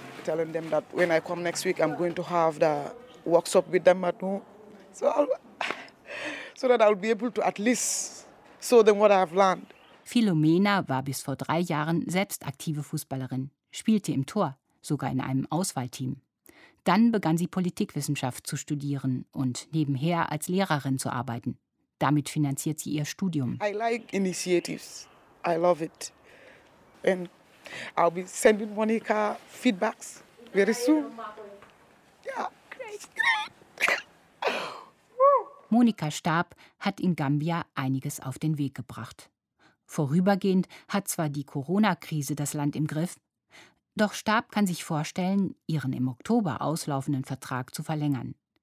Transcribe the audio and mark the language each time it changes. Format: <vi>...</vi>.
<en>Telling them that when I come next week, I'm going to have the workshop with them at home, so that I'll be able to at least show them what I have learned.</en> <de>Philomena war bis vor 3 Jahren selbst aktive Fußballerin, spielte im Tor, sogar in einem Auswahlteam. Dann begann sie Politikwissenschaft zu studieren und nebenher als Lehrerin zu arbeiten. Damit finanziert sie ihr Studium.</de> <en>I like initiatives. I love it. And I'll be sending Monika feedbacks very soon. Yeah.</en> <de>Monika Stab hat in Gambia einiges auf den Weg gebracht. Vorübergehend hat zwar die Corona-Krise das Land im Griff, doch Stab kann sich vorstellen, ihren im Oktober auslaufenden Vertrag zu verlängern.</de>